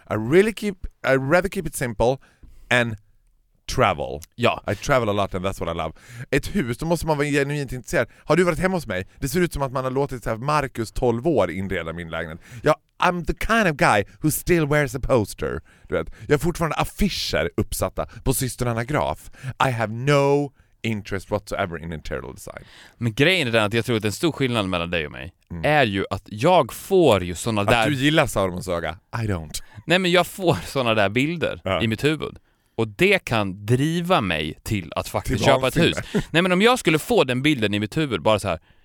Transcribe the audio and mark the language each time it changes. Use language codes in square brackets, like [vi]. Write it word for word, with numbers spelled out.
[en] I really keep, I rather keep it simple and travel. [sv] Ja. [en] I travel a lot and that's what I love. [sv] Ett hus, då måste man vara genuint intresserad. Har du varit hemma hos mig? Det ser ut som att man har låtit så här Marcus tolv år inreda min lägenhet. Jag, [en] I'm the kind of guy who still wears a poster. [sv] Du vet. Jag har fortfarande affischer uppsatta på systrarna Graf. [en] I have no interest whatsoever in interior design. [sv] Men grejen är den att jag tror att en stor skillnad mellan dig och mig mm. är ju att jag får ju såna att där... Att du gillar Saurons öga. [en] I don't. [sv] Nej, men jag får såna där bilder ja. I mitt huvud. Och det kan driva mig till att faktiskt till köpa ett hus. Nej, men om jag skulle få den bilden i mitt huvud, bara så här,